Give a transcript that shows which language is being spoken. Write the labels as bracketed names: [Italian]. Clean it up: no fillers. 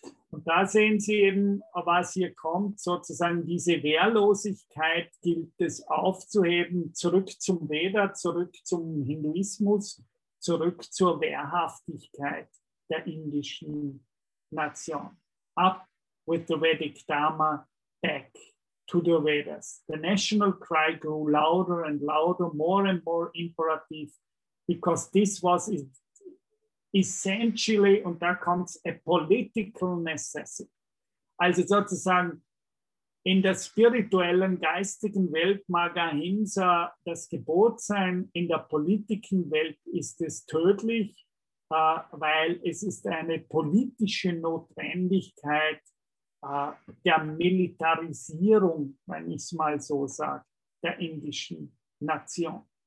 [German] Und da sehen Sie eben, was hier kommt, sozusagen diese Wehrlosigkeit gilt es aufzuheben, zurück zum Veda, zurück zum Hinduismus, zurück zur Wehrhaftigkeit der indischen Nation. [English] Up with the Vedic Dharma, back to the Vedas. The national cry grew louder and louder, more and more imperative, because this was essentially, [German] und da kommt es, [English] a political necessity. [German] Also sozusagen in der spirituellen, geistigen Welt mag Ahimsa das Gebot sein, in der politischen Welt ist es tödlich, weil es ist eine politische Notwendigkeit der Militarisierung, wenn ich es mal so sage, der indischen Nation.